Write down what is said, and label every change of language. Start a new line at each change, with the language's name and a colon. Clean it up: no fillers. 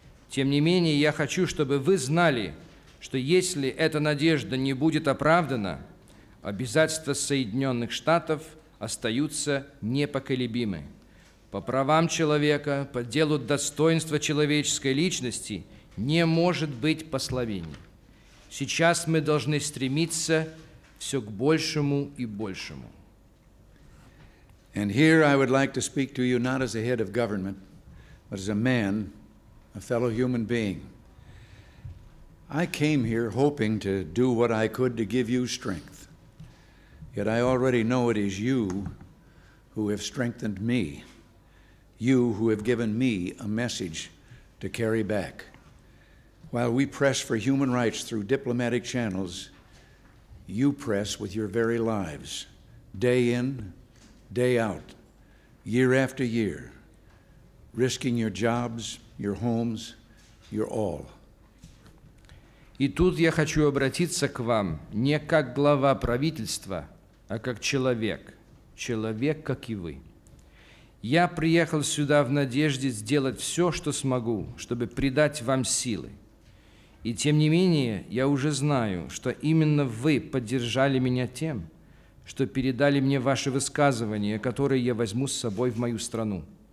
Russian: Тем не менее, я хочу, чтобы вы знали, что если эта надежда не будет оправдана, обязательства Соединенных Штатов остаются непоколебимы. По правам человека, по делу достоинства человеческой личности не может быть послаблений. Сейчас мы должны стремиться все к большему и большему.
English: And here I would like to speak to you not as a head of government, but as a man, a fellow human being. I came here hoping to do what I could to give you strength. Yet I already know it is you who have strengthened me, you who have given me a message to carry back. While we press for human rights through diplomatic channels, you press with your very lives, day in, day out, year after year, risking your jobs, your homes, your all.
Russian: И тут я хочу обратиться к вам не как глава правительства, а как человек. Человек, как и вы. Я приехал сюда в надежде сделать все, что смогу, чтобы придать вам силы. И тем не менее, я уже знаю, что именно вы поддержали меня тем, что передали мне ваши высказывания, которые я возьму с собой в мою страну.